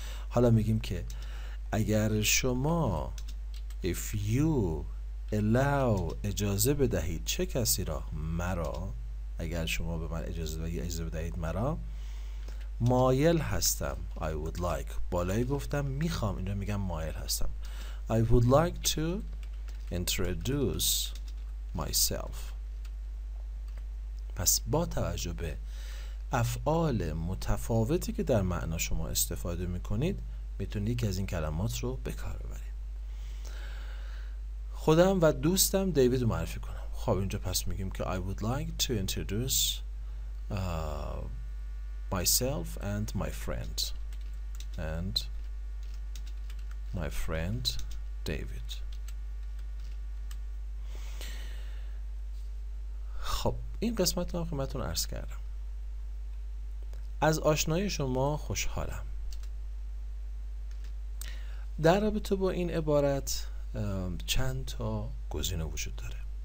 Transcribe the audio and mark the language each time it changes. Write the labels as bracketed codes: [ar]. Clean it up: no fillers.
[fa] حالا میگیم که اگر شما [en] if you allow، [fa] اجازه بدهید چه کسی را، مرا، اگر شما به من اجازه بدهید، اجازه بدهید مرا، مایل هستم [en] I would like، [fa] بالای گفتم میخوام، اینجا میگم مایل هستم، [en] I would like to introduce myself. [fa] پس با توجه به افعال متفاوتی که در معنا شما استفاده میکنید، میتونید یکی از این کلمات رو به کار ببرید. خودم و دوستم دیوید رو معرفی کنم. خب اینجا پس میگیم که [en] I would like to introduce myself and my friend and my friend David. [fa] خب این قسمت رو هم خدمتتون عرض کردم. از آشنایی شما خوشحالم. در رابطه با این عبارت چند تا گزینه وجود داره.